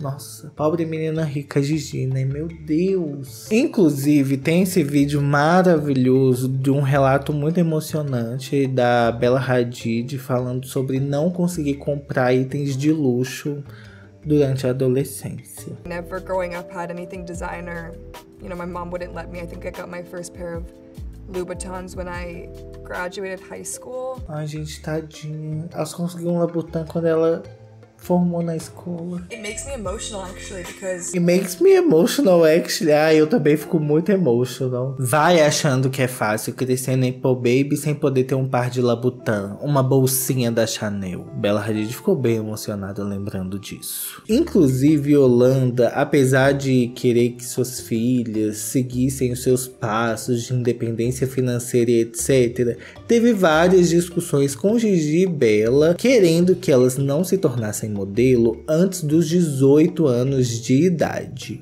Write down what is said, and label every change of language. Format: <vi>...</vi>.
<pt>Nossa, pobre menina rica Gigi, né? Meu Deus! Inclusive, tem esse vídeo maravilhoso de um relato muito emocionante da Bella Hadid falando sobre não conseguir comprar itens de luxo durante a adolescência.</pt> <en>Never growing up had anything designer. You know, my mom wouldn't let me. I think I got my first pair of Louboutins when I graduated high school.</en> <pt>Ai, gente, tadinha. Elas conseguiram um Louboutin quando ela formou na escola.</pt> <en>It makes me emotional, actually, because... It makes me emotional, actually.</en> <pt>Ah, eu também fico muito emotional. Vai achando que é fácil crescer na Apple Baby sem poder ter um par de Louboutin, uma bolsinha da Chanel. Bella Hadid ficou bem emocionada lembrando disso. Inclusive, Yolanda, apesar de querer que suas filhas seguissem os seus passos de independência financeira e etc., teve várias discussões com Gigi e Bella, querendo que elas não se tornassem sem modelo antes dos 18 anos de idade.</pt>